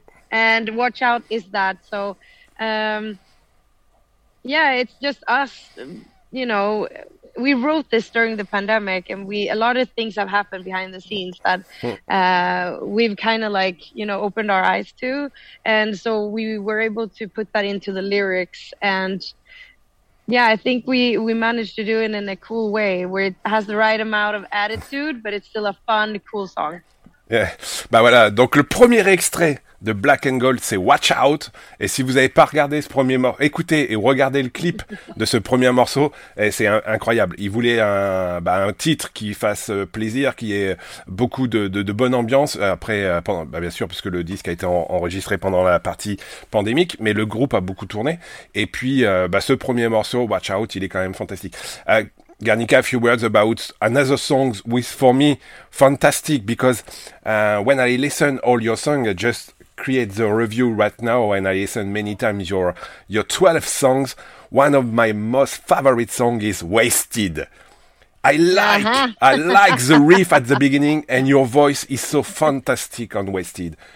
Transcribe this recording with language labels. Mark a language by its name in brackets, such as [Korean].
[English] And Watch Out is that. So, it's just us, you know, we wrote this during the pandemic and a lot of things have happened behind the scenes that we've kind of like, you know, opened our eyes to. And so we were able to put that into the lyrics and, yeah, I think we managed to do it in a cool way where it has the right amount of attitude, but it's still a fun, cool song. Yeah. [French] Ben voilà, donc le premier extrait de Black and Gold, c'est Watch Out. Et si vous n'avez pas regardé ce premier morceau, écoutez et regardez le clip de ce premier morceau, et c'est incroyable. Il voulait un titre qui fasse plaisir, qui ait beaucoup de bonne ambiance. Après, bien sûr, puisque le disque a été enregistré pendant la partie pandémique, mais le groupe a beaucoup tourné. Et puis, ce premier morceau, Watch Out, il est quand même fantastique. [English] Guernica, a few words about another song which for me fantastic because when I listen all your song, I just create the review right now and I listen many times your 12 songs. One of my most favorite song is Wasted. I like the riff at the beginning and your voice is so fantastic on Wasted.